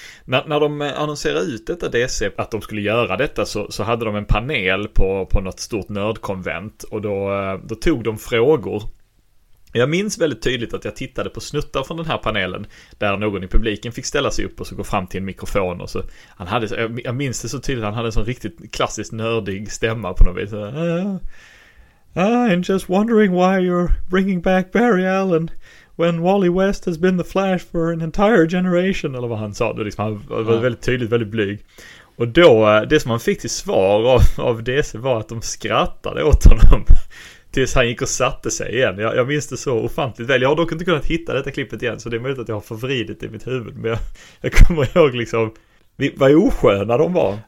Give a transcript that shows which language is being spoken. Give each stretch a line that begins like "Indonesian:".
Swedish: När de annonserade ut detta DC, att de skulle göra detta, så hade de en panel på något stort nördkonvent, och då tog de frågor. Jag minns väldigt tydligt att jag tittade på snuttar från den här panelen där någon i publiken fick ställa sig upp och så gå fram till en mikrofon, och så han hade, jag minns det så tydligt, han hade en sån riktigt klassiskt nördig stämma på något vis.
English: I'm just wondering why you're bringing back Barry Allen when Wally West has been the Flash for an entire generation,
Swedish: eller vad han sa. Det liksom, han var väldigt tydligt, väldigt blyg. Och då, det som han fick till svar av DC var att de skrattade åt honom tills han gick och satte sig igen. Jag minns det så ofantligt väl. Jag har dock inte kunnat hitta detta klippet igen, så det är möjligt att jag har förvridit det i mitt huvud. Men jag kommer ihåg liksom vad osköna de var.